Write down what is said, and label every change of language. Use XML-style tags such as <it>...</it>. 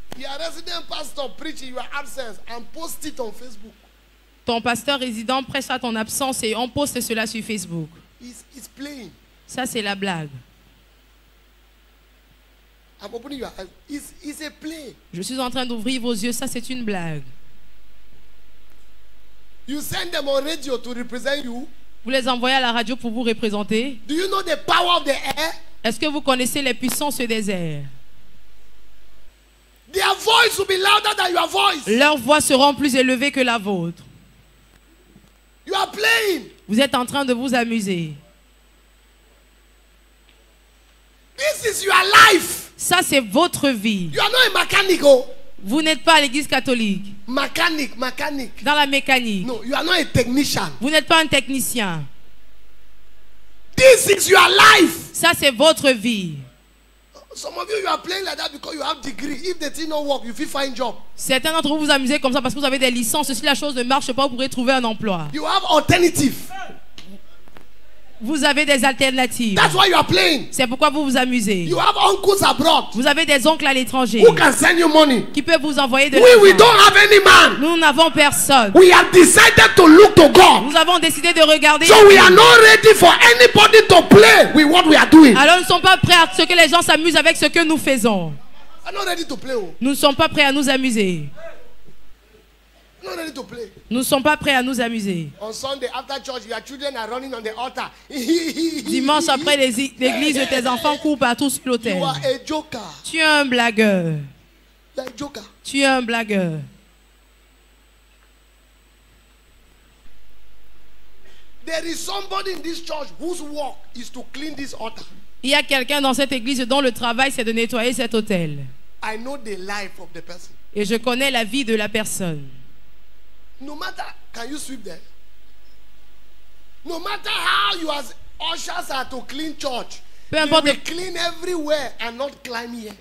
<en>Your resident pastor preach in your absence and post it on Facebook.</en> <fr>Ton pasteur résident prêche à ton absence et on poste cela sur Facebook.</fr> <en>He's playing.</en> <fr>Ça c'est la blague.</fr> <en>I'm opening your eyes. It's a play.</en> <fr>Je suis en train d'ouvrir vos yeux. Ça c'est une blague.</fr> <en>You send them on radio to represent you.</en> <fr>Vous les envoyez à la radio pour vous représenter.</fr> <en>Do you know the power of the air?</en> <fr>Est-ce que vous connaissez les puissances des airs?</fr> <en>Their voice will be louder than your voice.</en> <fr>Leurs voix seront plus élevées que la vôtre.</fr> <en>You are playing.</en> <fr>Vous êtes en train de vous amuser.</fr> <en>This is your life.</en> <fr>Ça, c'est votre vie.</fr> <en>You are not a mechanical.</en> <fr>Vous n'êtes pas à l'église catholique. Mécanique. Dans la mécanique.</fr> <en>No, you are not a technician.</en> <fr>Vous n'êtes pas un technicien.</fr> <en>This is your life.</en> <fr>Ça c'est votre vie.</fr> <en>Some of you are playing like that because you have degree. If the thing don't work, you will find job.</en> <fr>Certains d'entre vous vous amusez comme ça parce que vous avez des licences. Si la chose ne marche pas, vous pourrez trouver un emploi.</fr> <en>You have alternative.</en> <fr>Vous avez des alternatives.</fr> <en>That's why you are playing.</en> <fr>C'est pourquoi vous vous amusez.</fr> <en>You have uncles abroad.</en> <fr>Vous avez des oncles à l'étranger.</fr> <en>Who can send you money?</en> <fr>Qui peut vous envoyer de</fr> <en>l'argent? We don't have any man.</en> <fr>Nous n'avons personne.</fr> <en>We have decided to look to God.</en> <fr>Nous avons décidé de regarder.</fr> <en>So we are not ready for anybody to play with what we are doing.</en> <fr>Alors nous ne sommes pas prêts à ce que les gens s'amusent avec ce que nous faisons.</fr> <en>I'm not ready to play.</en> <fr>Nous ne sommes pas prêts à nous amuser. Nous ne sommes pas prêts à nous amuser.</fr> <en>On Sunday after church, your children are running on the altar.</en> <fr>Dimanche après l'église, tes enfants courent partout sur l'autel.</fr> <en>You are a joker.</en> <fr>Tu es un blagueur.</fr> <en>You are a joker.</en> <fr>Tu es un blagueur.</fr> <en>There is somebody in this church whose work is to clean this altar.</en> <fr>Il y a quelqu'un dans cette église dont le travail c'est de nettoyer cet autel.</fr> <en>I know the life of the person.</en> <fr>Et je connais la vie de la personne.</fr> <en>No matter, can you sweep there? No matter how you as ushers are to clean church,</en> <fr>peu importe,</fr> <en>they will clean everywhere and not climb here.</en>